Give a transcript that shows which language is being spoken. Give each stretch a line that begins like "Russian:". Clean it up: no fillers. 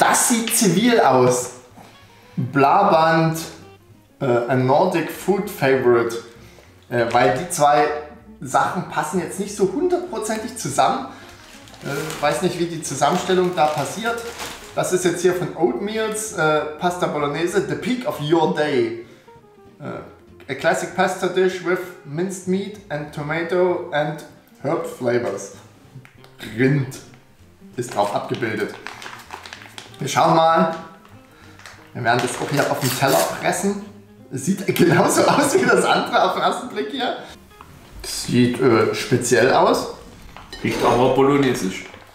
German: Das sieht zivil aus. Blaband,
English: a Nordic Food Favorite.
German: Weil die zwei Sachen passen jetzt nicht so hundertprozentig zusammen. Weiß nicht, wie die Zusammenstellung da passiert. Das ist jetzt hier von Oatmeals, Pasta Bolognese,
English: the peak of your day. A classic pasta dish with minced meat and tomato and herb flavors.
German: Rind ist drauf abgebildet. Wir schauen mal. Wir werden das auch hier auf dem Teller pressen. Sieht genauso aus wie das andere auf den ersten Blick hier. Sieht speziell aus. Riecht aber bolognesisch.